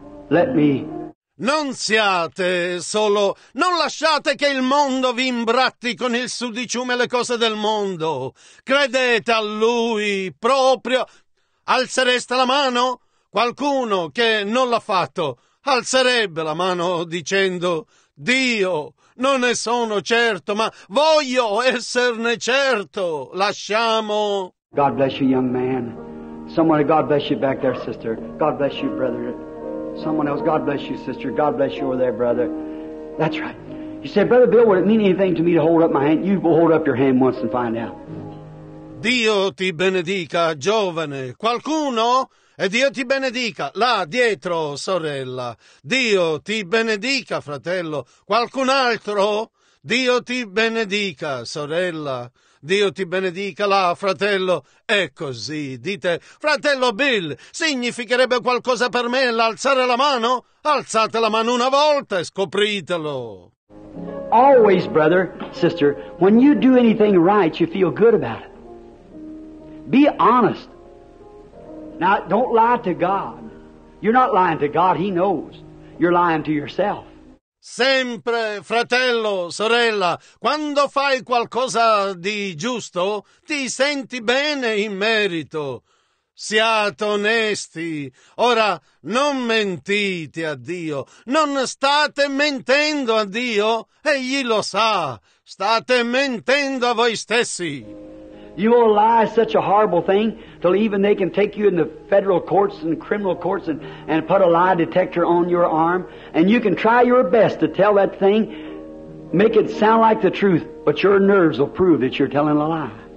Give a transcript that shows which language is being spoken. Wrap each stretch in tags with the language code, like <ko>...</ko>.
<en>Let me...</en> <it>Non siate solo... Non lasciate che il mondo vi imbratti con il sudiciume e le cose del mondo. Credete a lui proprio. Alzereste la mano? Qualcuno che non l'ha fatto... Alzerebbe la mano dicendo, Dio, non ne sono certo, ma voglio esserne certo. Lasciamo.</it> <en>God bless you, young man. Someone, God bless you back there, sister. God bless you, brother. Someone else, God bless you, sister. God bless you over there, brother. That's right. You say, Brother Bill, would it mean anything to me to hold up my hand? You will hold up your hand once and find out.</en> <it>Dio ti benedica, giovane. Qualcuno... E Dio ti benedica, là dietro, sorella. Dio ti benedica, fratello. Qualcun altro? Dio ti benedica, sorella. Dio ti benedica, là, fratello. È così. Dite, fratello Bill, significherebbe qualcosa per me l'alzare la mano? Alzate la mano una volta e scopritelo.</it> <en>Always, brother, sister, when you do anything right, you feel good about it. Be honest. Now, don't lie to God. You're not lying to God, he knows. You're lying to yourself.</en> <it>Sempre, fratello, sorella, quando fai qualcosa di giusto, ti senti bene in merito. Siate onesti. Ora, non mentite a Dio. Non state mentendo a Dio. Egli lo sa. State mentendo a voi stessi.</it> <en>You will lie such a horrible thing till even they can take you in the federal courts and criminal courts and put a lie detector on your arm. And you can try your best to tell that thing, make it sound like the truth, but your nerves will prove that you're telling a lie.</en>